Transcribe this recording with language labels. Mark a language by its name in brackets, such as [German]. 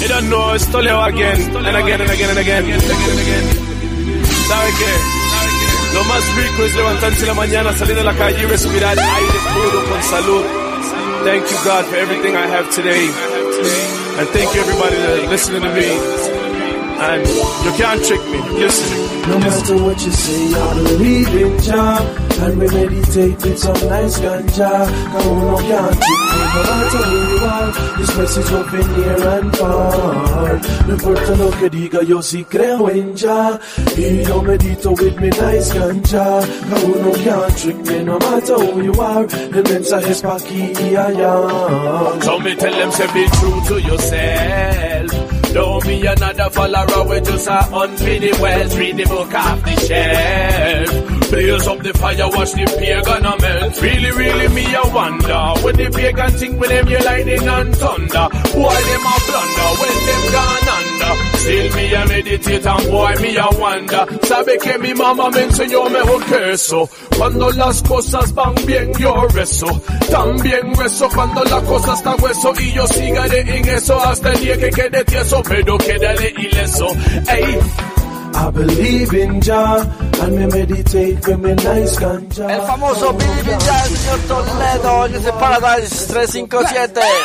[English] You don't know, it's Toledo again, and again, and again, and again. [Spanish] ¿Sabe qué? Lo más rico es levantarse la mañana, salir de la calle y respirar aire puro con salud. [English] Thank you God for everything I have today. And thank you everybody for listening to me. And you can't trick me, listen. No matter what you say, I believe in Jah. And we meditate with some nice ganja. Come on, no can't trick me. No matter who you are, this message will be near and far. [Spanish] No importa lo que diga, yo si creo en Jah. Y yo medito [English] with me nice ganja. Come on, no can't trick me. No matter who you are, the [Spanish] mensaje es pa' aquí y allá. [English] So me tell them to be true to yourself. Don't be another follower, we just are on the wells. Read the book off the shelf. Blaze up the fire, watch the pagan melt. Really, really, me a wonder. When the pagan think with them, you're lightning and thunder. Why them a blunder when them gone under? Still me a meditate and boy me a wonder. [Spanish] Sabe que mi mama me enseñó mejor que eso. Cuando las cosas van bien yo rezo. También rezo cuando la cosa está hueso. Y yo sigaré en eso hasta el día que quede tieso. Pero quédale ileso. Ey, [English] I believe in Jah, and me meditate with me nice ganja. [Spanish] El famoso Believe in Jah, el señor Toledo, desde Paradise 357.